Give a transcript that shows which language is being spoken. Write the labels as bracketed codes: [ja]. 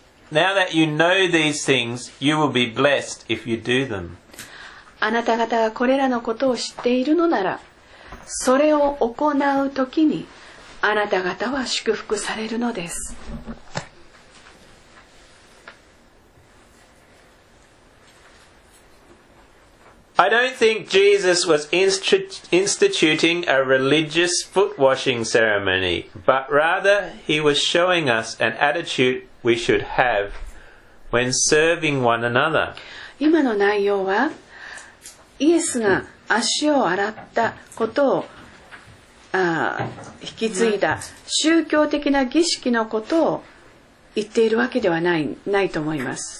[en] Now that you know these things, you will be blessed if you do them. [ja] あなた方がこれらのことを知っているのなら、それを行うときにあなた方は祝福されるのです。 [en] I don't think Jesus was instituting a religious foot washing ceremony, but rather he was showing us an attitude we should have when serving one another. [ja] 今の内容は、イエスが足を洗ったことを引き継いだ宗教的な儀式のことを言っているわけではないと思います。